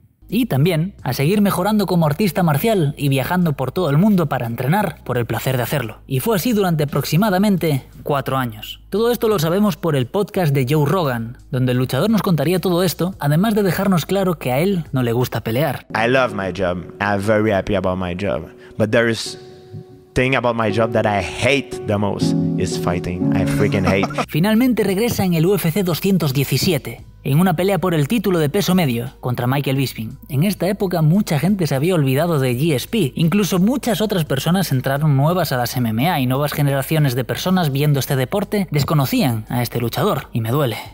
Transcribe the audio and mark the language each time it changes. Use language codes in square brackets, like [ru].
[es] Y también a seguir mejorando como artista marcial y viajando por todo el mundo para entrenar por el placer de hacerlo. Y fue así durante aproximadamente 4 años. Todo esto lo sabemos por el podcast de Joe Rogan, donde el luchador nos contaría todo esto, además de dejarnos claro que a él no le gusta pelear. [en] I love my job. I'm very happy about my job. But there is thing about my job that I hate the most is fighting. I freaking hate. [es] Finalmente regresa en el UFC 217. En una pelea por el título de peso medio contra Michael Bisping. En esta época mucha gente se había olvidado de GSP. Incluso muchas otras personas entraron nuevas a las MMA y nuevas generaciones de personas viendo este deporte desconocían a este luchador. Y me duele.